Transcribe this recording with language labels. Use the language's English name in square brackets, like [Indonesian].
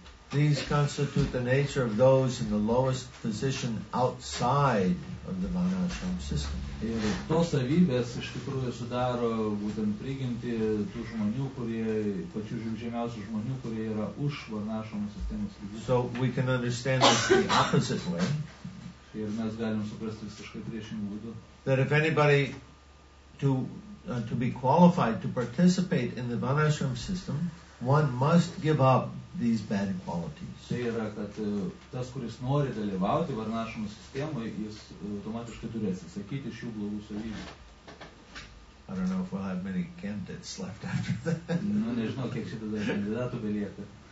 [English] These constitute the nature of those in the lowest position outside of the Vanashram system. [Lithuanian] Ir tos savybės iš tikrųjų sudaro būtent prigimti tų žmonių, kurie pačių žemiausių žmonių, kurie yra už Vanashram sistemos. [English] So we can understand this the opposite way. [Lithuanian] Ir mes galim suprasti visiškai priešingų būdų. [English] That if anybody to to be qualified to participate in the Vanashram system, one must give up these bad qualities. [Lithuanian] Tai yra, kad tas, kuris nori dalyvauti Vanashram sistemoje, jis automatiškai turi atsisakyti šių blogų savybių. [English] I don't know if we'll have many candidates left after that. [Lithuanian] Nu, nežinau, kiek šitą dar kandidatų belieka.